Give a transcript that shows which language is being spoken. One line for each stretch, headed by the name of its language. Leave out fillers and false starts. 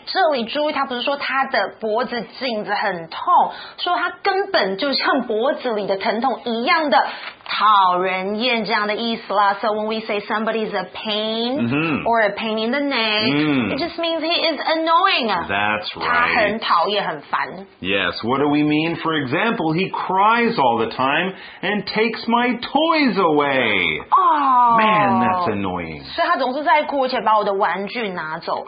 Chinese: 这里注意，他不是说他的脖子颈子很痛，说他根本就像脖子里的疼痛一样的讨人厌这样的意思啦。
English: So when we say somebody's a pain or a pain in the neck, it just means he is annoying. That's right.
Chinese: 他很讨厌，很烦。
English: Yes, what do we mean? For example, he cries all the time and takes my toys away. Oh, man, that's annoying.
Chinese: 是他总是在哭，而且把我的玩具拿走。